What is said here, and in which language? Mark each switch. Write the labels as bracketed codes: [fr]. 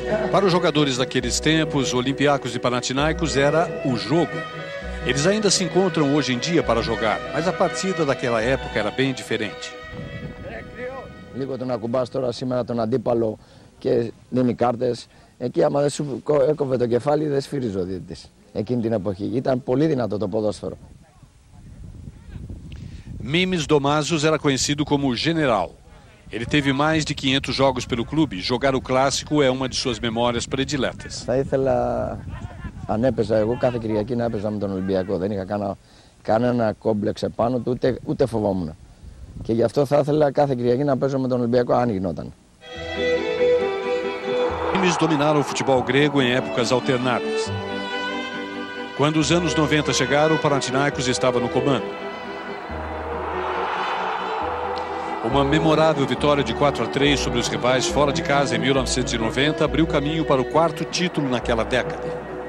[pt] Para os jogadores daqueles tempos, Olympiacos e Panathinaikos era o jogo. Eles ainda se encontram hoje em dia para jogar, mas a partida daquela época era bem diferente. [el] Λίγο τον ακουμπάς τώρα σήμερα τον αντίπαλο και δίνει κάρτες. Εκεί άμα δεν σου έκοβε το κεφάλι δεν σφύριζε ο διαιτητής εκείνη την εποχή. Ήταν πολύ δυνατό το ποδόσφαιρο. [pt] Mimis Domazos era conhecido como General. Ele teve mais de 500 jogos pelo clube. Jogar o clássico é uma de suas memórias prediletas. [el] Θα ήθελα, αν έπαιζα εγώ κάθε Κυριακή, να έπαιζα με τον Ολυμπιακό. Δεν είχα κανένα κόμπλεξ επάνω του, ούτε φοβόμουν. Και γι' αυτό θα ήθελα κάθε Κυριακή να παίζω με τον Ολυμπιακό, αν γινόταν. [pt] Eles dominaram o futebol grego em épocas alternadas. Quando os anos 90 chegaram, o Panathinaikos estava no comando. Uma memorável vitória de 4-3 sobre os rivais fora de casa em 1990 abriu caminho para o quarto título naquela década.